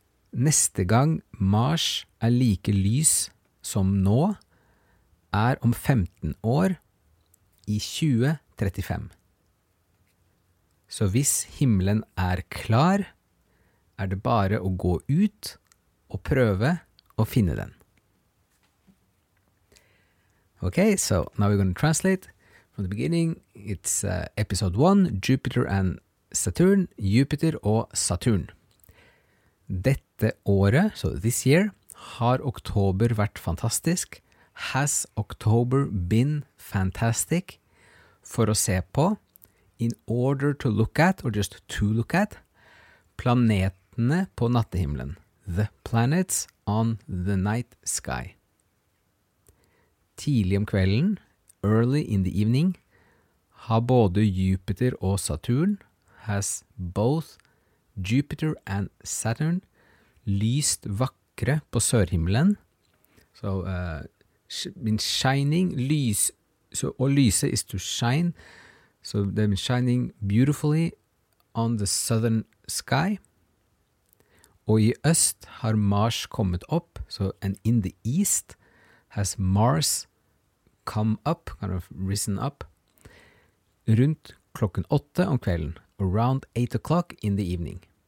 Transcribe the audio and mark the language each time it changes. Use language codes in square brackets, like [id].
[no] Neste gang Mars like lys som nå, om 15 år, i 2035. Så hvis himmelen klar, det bare å gå ut og prøve å finne den. [en] Okay, so now we're going to translate from the beginning. It's episode 1, Jupiter and Saturn, Jupiter og Saturn. [no] Dette året, [en] so this year, [no] har oktober vært fantastisk. [en] Has October been fantastic? [no] For å se på, [en] in order to look at, or just to look at, [no] planetene på nattehimmelen. [en] The planets on the night sky. [no] Tidlig om kvelden, [en] early in the evening, [no] har både Jupiter og Saturn, [en] has both Jupiter and Saturn, [no] lyst vakre på sørhimmelen. [en] So, been shining, lys, so, [no] å lyse [en] is to shine, so they've been shining beautifully on the southern sky. [no] Og i øst har Mars kommet opp, [en] so, and in the east has Mars come up, kind of risen up, [no] rundt klokken 8 om kvelden, [en] around 8 o'clock in the evening.